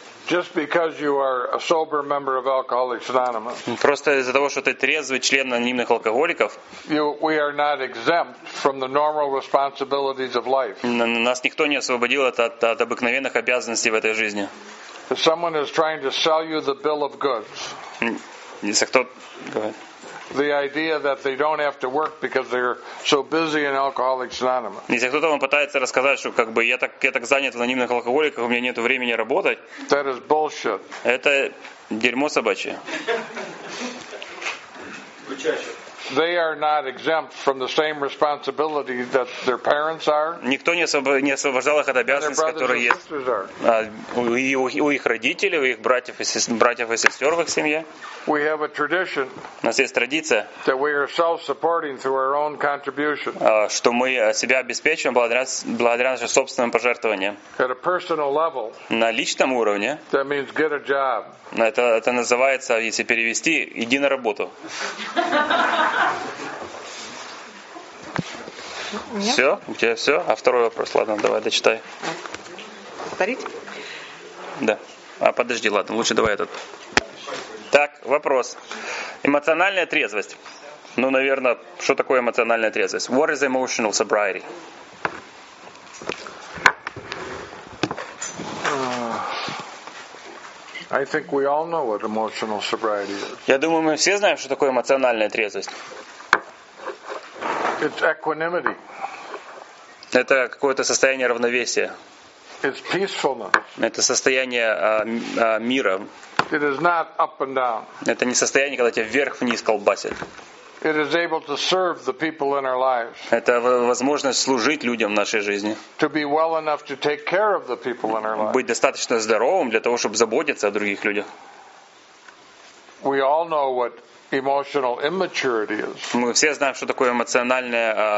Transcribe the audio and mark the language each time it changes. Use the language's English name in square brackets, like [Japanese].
[English] Just because you are a sober member of Alcoholics Anonymous. [Russian] Просто из-за того, что ты трезвый член анонимных алкоголиков. [English] We are not exempt from the normal responsibilities of life. [Russian] Нас никто не освободил от обыкновенных обязанностей в этой жизни. [English] Someone is trying to sell you the bill of goods. [Russian] Если кто [English] the idea that they don't have to work because they're so busy in Alcoholics Anonymous. [Russian] Если кто-то вам пытается рассказать, что как бы я так занят в анонимных алкоголиках, у меня нету времени работать. [English] That is bullshit. [Russian] Это дерьмо собачье. [English] They are not exempt from the same responsibility that their parents are. [Russian] Никто не освобождал их от обязанностей, которые есть у их родителей, у их братьев и сестер в их семье. [English] We have a tradition. [Russian] У нас есть традиция. [English] That we are self-supporting through our own contribution. [Russian] Что мы себя обеспечиваем благодаря нашим собственным пожертвованиям. [English] At a personal level. [Russian] На личном уровне. [English] That means get a job. [Russian] Это называется, если перевести, иди на работу. Нет? Все? У тебя все? А второй вопрос, ладно, давай, дочитай. Повторить? Да. А подожди, ладно, лучше давай этот. Так, вопрос. Эмоциональная трезвость. Ну, наверное, что такое эмоциональная трезвость? [English] What is emotional sobriety? I think we all know what emotional sobriety is. [Russian] Я думаю, мы все знаем, что такое эмоциональная трезвость. [English] It's equanimity. [Russian] Это какое-то состояние равновесия. [English] It's peacefulness. [Russian] Это состояние мира. [English] It is not up and down. [Russian] Это не состояние, когда тебя вверх-вниз колбасит. [English] It is able to serve the people in our lives. [Russian] Это возможность служить людям в нашей жизни. [English] To be well enough to take care of the people in our lives. [Russian] Быть достаточно здоровым для того, чтобы заботиться о других людях. [English] We all know what emotional immaturity is. [Russian] Мы все знаем, что такое эмоциональное.